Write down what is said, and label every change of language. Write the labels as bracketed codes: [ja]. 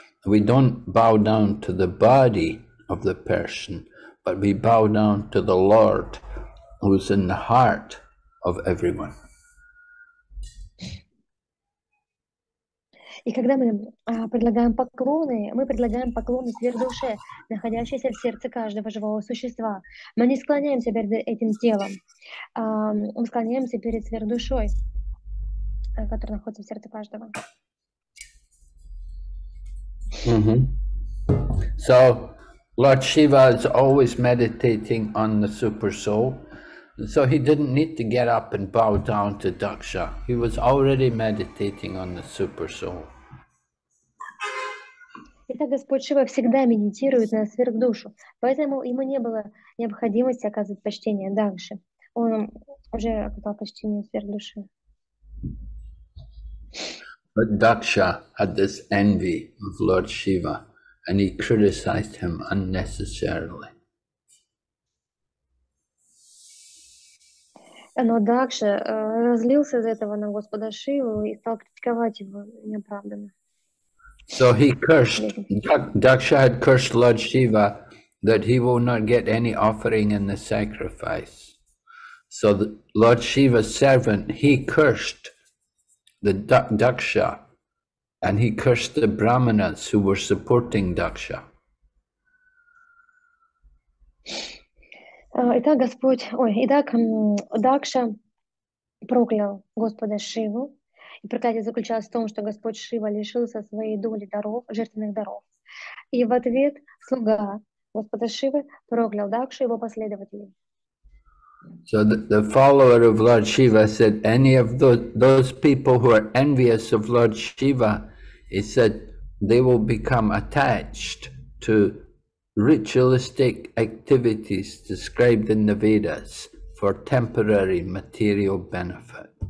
[en] We don't bow down to the body of the person, but we bow down to the Lord who's in the heart of everyone. [ru] И когда мы предлагаем поклоны, мы предлагаем поклоны сверхдуше, находящейся в сердце каждого живого существа. Мы не склоняемся перед этим телом. Мы склоняемся перед сверхдушой, которая находится в сердце каждого. [en] So, Lord Shiva is always meditating on the super soul. So he didn't need to get up and bow down to Daksha. He was already meditating on the super soul. [ru] Итак, Господь Шива всегда медитирует на сверхдушу, поэтому ему не было необходимости оказывать почтение Дакше. Он уже оказал почтение сверхдуше. [en] But Daksha had this envy of Lord Shiva, and he criticized him unnecessarily. [ru] Но Дакша разлился из этого на Господа Шиву и стал критиковать его неоправданно. [en] So he cursed, Daksha had cursed Lord Shiva that he will not get any offering in the sacrifice. So Lord Shiva's servant, he cursed the Daksha and he cursed the Brahmanas who were supporting Daksha. [ru] Итак, Господь, ой, итак, Дакша проклял Господа Шиву. И проклятие заключалось в том, что Господь Шива лишился своей доли даров, жертвенных даров. И в ответ слуга Господа Шивы проклял Дакшу и его последователей. [en] So the follower of Lord Shiva said, any of those people who are envious of Lord Shiva, he said, they will become attached to ritualistic activities described in the Vedas for temporary material benefit.